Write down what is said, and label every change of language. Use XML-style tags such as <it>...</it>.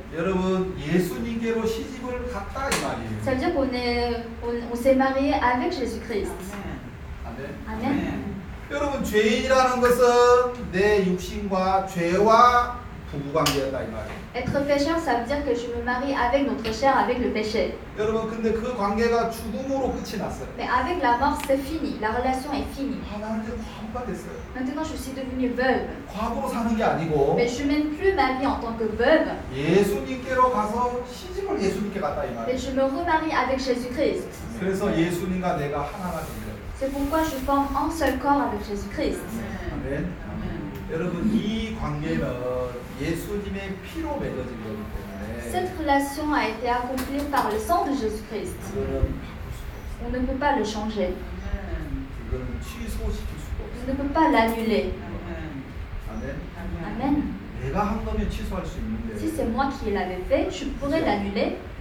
<ko>여러분, 예수님께로 시집을 갔다 이 말이에요.</ko> <fr>Ça veut dire qu'on s'est marié avec Jésus-Christ.</fr> <ko>아멘. 여러분, 죄인이라는 것은 내 육신과 죄와 부부 관계였다 이 말이에요.</ko> <fr>Être pécheur, ça veut dire que je me marie avec notre chair, avec le péché.</fr> <ko>여러분, 근데 그 관계가 죽음으로 끝이 났어요.</ko> <fr>Mais avec la mort, c'est fini. La relation est finie.</fr> <ko>됐어요.</ko> <fr>Maintenant, je suis devenue veuve.</fr> <ko>과거로 사는 게 아니고.</ko> <fr>Mais je mène plus ma vie en tant que veuve.</fr> <ko>예수님께로 가서 시집을 예수님께 갔다 이 말이에요.</ko> <fr>Mais je me remarie avec Jésus-Christ.</fr> <ko>그래서 예수님과 내가 하나가 됐어요.</ko> <fr>C'est pourquoi je forme un seul corps avec Jésus-Christ.</fr> <ko>아멘. 여러분, 이 관계는 예수님의 피로 맺어진 거기 때문에</ko> <fr>Cette relation a été accomplie par le sang de Jésus-Christ. On ne peut pas le changer. On ne peut pas l'annuler. Amen. Amen. Si c'est moi qui l'avais fait, je pourrais l'annuler.</fr>